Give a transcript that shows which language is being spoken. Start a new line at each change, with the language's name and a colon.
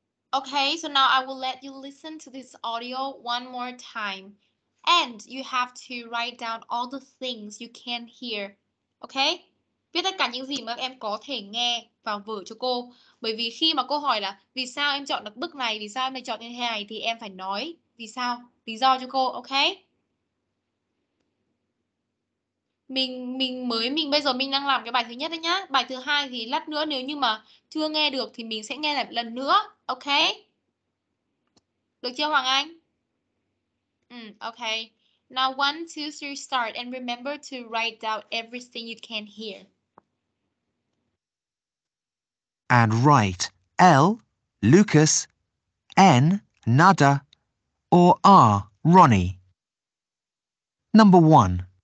English: Okay, so now I will let you listen to this audio one more time. And you have to write down all the things you can hear. Okay?
Vietnamese: Viết tất cả những gì mà em có thể nghe vào vở cho cô. Bởi vì khi mà cô hỏi là vì sao em chọn được bức này, vì sao em lại chọn như thế này, thì em phải nói vì sao, lý do cho cô, okay? Mình bây giờ mình đang làm cái bài thứ nhất đấy nhá. Bài thứ hai thì lát nữa nếu như mà chưa nghe được thì mình sẽ nghe lại lần nữa, okay? Được chưa Hoàng Anh? Okay.
English: Now 1, 2, 3, start and remember to write down everything you can hear. And write L, Lucas, N, Nada, or R, Ronnie. Number 1.